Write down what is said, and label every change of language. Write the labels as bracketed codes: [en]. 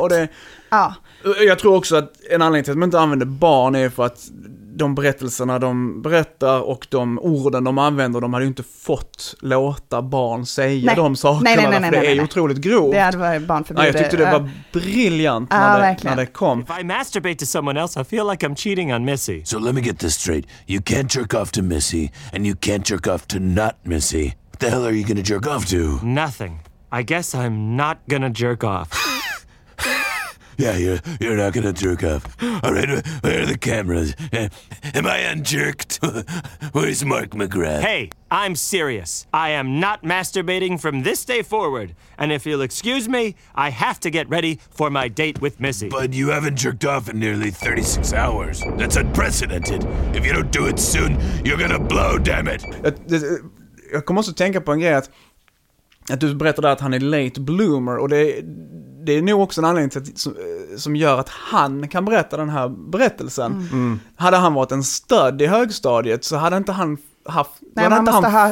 [sv] Och det jag tror också att en anledning till att man inte använder barn är för att de berättelserna de berättar och de orden de använder, de hade ju inte fått låta barn säga de sakerna, för det är otroligt grovt. Det hade varit barnförbjudet. Jag tyckte det var briljant när det kom. [en] If I masturbate to someone else, I feel like I'm cheating on Missy. So let me get this straight. You can't jerk off to Missy and you can't jerk off to not Missy. What the hell are you gonna jerk off to? Nothing. I guess I'm not gonna jerk off. Yeah, you're not gonna jerk off. All right, where are the cameras? Am I unjerked? Where's Mark McGrath? Hey, I'm serious. I am not masturbating from this day forward. And if you'll excuse me, I have to get ready for my date with Missy. But you haven't jerked off in nearly 36 hours. That's unprecedented. If you don't do it soon, you're gonna blow, damn it. [sv] Jag kommer också tänka på en grej att du berättade att han är late bloomer, och det är nog också en anledning till att, som gör att han kan berätta den här berättelsen. Hade han varit en stöd i högstadiet så hade inte han haft, nej, hade inte han ha